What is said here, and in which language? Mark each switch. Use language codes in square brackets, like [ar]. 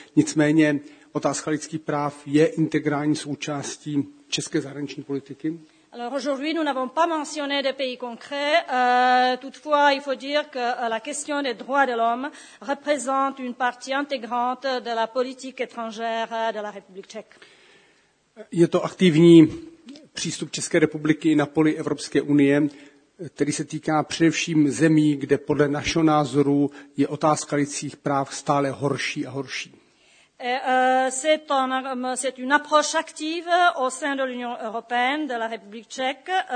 [cs] Nicméně otázka lidských práv je integrální součástí české zahraniční politiky. [fr] Alors aujourd'hui, nous n'avons pas mentionné de pays concrets. Toutefois, il faut dire que la question des droits de l'homme représente une partie intégrante de la politique étrangère de la République tchèque. [cs] Je to aktivní přístup České republiky i na poli Evropské unie, který se týká především zemí, kde podle našeho názoru je otázka lidských práv stále horší a horší. [fr] C'est une approche active au sein de l'Union européenne, de la République tchèque.